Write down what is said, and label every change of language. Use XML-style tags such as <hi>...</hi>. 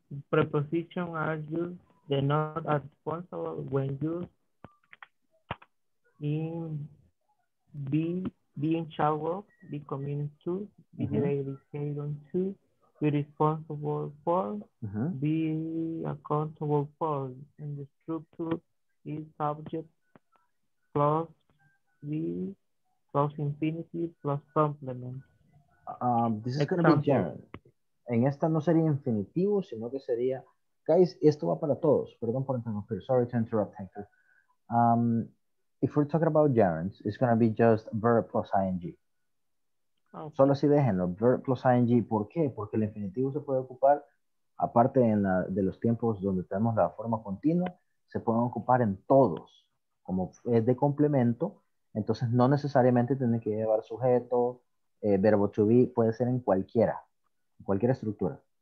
<en>Prepositions are used, they're not responsible when used in being shallow, be committed to, be dedicated to, be responsible for, be accountable for, and the structure is subject plus V plus infinitive plus complement. This is going to be gerund.</en> <es>En esta no sería infinitivo, sino que sería, guys, esto va para todos. Perdón por interrumpir.</es> <en>Sorry to interrupt, thank you. If we're talking about gerunds, it's going to be just verb plus ing.</en> <es>Okay. Solo así déjenlo,</es> <en>verb plus ing.</en> <es>¿Por qué? Porque el infinitivo se puede ocupar, aparte de los tiempos donde tenemos la forma continua, se pueden ocupar en todos. Como es de complemento, entonces no necesariamente tiene que llevar sujeto, verbo to be, puede ser en cualquier estructura.</es>